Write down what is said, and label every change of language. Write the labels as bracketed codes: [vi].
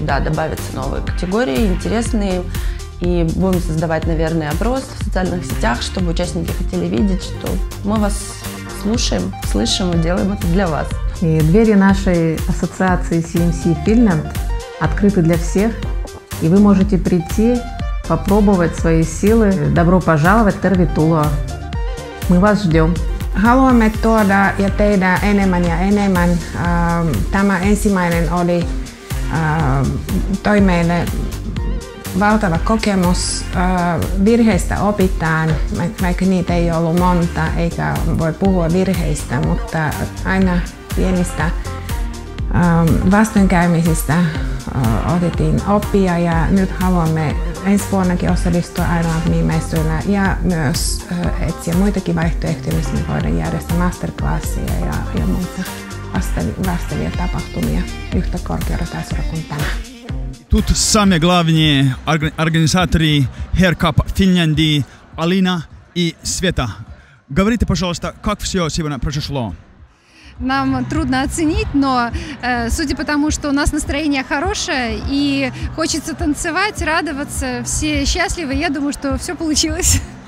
[ru] Да, добавятся новые категории, интересные. И будем создавать, наверное, опрос в социальных сетях, чтобы участники хотели видеть, что мы вас слушаем, слышим и делаем это для вас. И двери нашей ассоциации CMC Finland открыты для всех. И вы можете прийти, попробовать свои силы. Добро пожаловать в Tervetuloa. Мы вас ждем. [fi] Haluamme tuoda ja tehdä enemmän ja enemmän. Tämä ensimmäinen oli toi meille valtava kokemus. Virheistä opitaan, vaikka niitä ei ollut monta, eikä voi puhua virheistä, mutta aina pienistä vastoinkäymisistä otettiin oppia. Ja nyt haluamme ensi vuonnakin osallistua Ironman-messuilla ja myös etsiä muitakin vaihtoehtoja, missä me voidaan järjestää masterclassia ja muita vastaavia tapahtumia yhtä korkealla tasolla kuin tänään. [ru] Тут самые главные организаторы Hair Cup Finland, Алина и Света. Говорите, пожалуйста, как все сегодня произошло? Нам трудно оценить, но судя по тому, что у нас настроение хорошее и хочется танцевать, радоваться, все счастливы, я думаю, что все получилось.